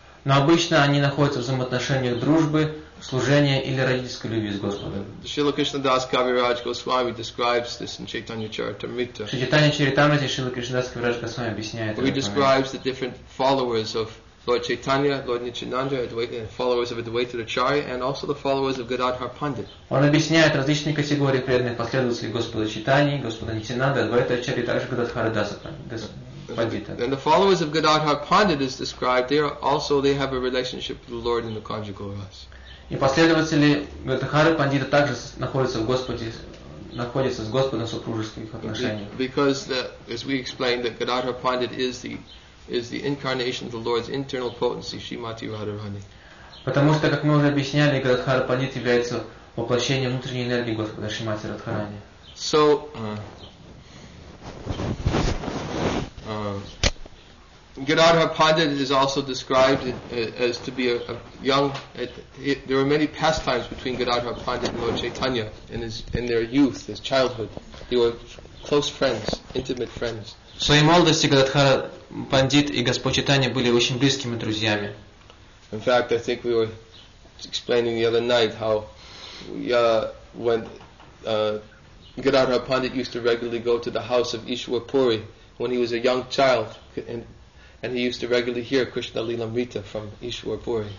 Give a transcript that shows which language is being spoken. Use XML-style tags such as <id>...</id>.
<ru>Но обычно они находятся в взаимоотношениях дружбы, служения или родительской любви с Господом.</ru> <en>Шрила Кришнадас Кавирадж Госвами describes this in Chaitanya Charitamrita.</en> <ru>Шри Чайтанья Чаритамрита, Шрила Кришнадас Кавирадж Госвами объясняет.</ru> <en>He describes the different followers of Lord Chaitanya, Lord Nityananda, followers of Advaita Acharya, and also the followers of Gadadhara Pandit.</en> <ru>Он объясняет различные категории преданных последователей Господа Чайтаньи, Господа Нитянанды, Адвайта Ачарьи, также Гададхара Даса Пандита.</ru> <en>And the followers of Gadadhara Pandit is described, they are also, they have a relationship with the Lord in the conjugal ras.</en> <ru>И последователи Гададхары Пандита также находятся в Господе, находятся с Господом в супружеских отношениях.</ru> <en>Because, as we explained, that Gadadhara Pandit is the incarnation of the Lord's internal potency, Shrimati Radharani.</en> <ru>Потому что, как мы уже объясняли, Гададхара Пандит является воплощением внутренней энергии Господа Шримати Радхарани.</ru> <en>So, Gadadhara Pandit is also described as to be a young. There were many pastimes between Gadadhara Pandit and Lord Chaitanya in their youth, his childhood. They were close friends, intimate friends.</en> <ru>В своей молодости Гададхара Пандит и Господь Чайтанья были очень близкими друзьями.</ru> <en>In fact, I think we were explaining the other night how when Gadadhara Pandit used to regularly go to the house of Ishwarpuri when he was a young child, and he used to regularly hear Krishna Lilamrita from Ishwarpuri.</en>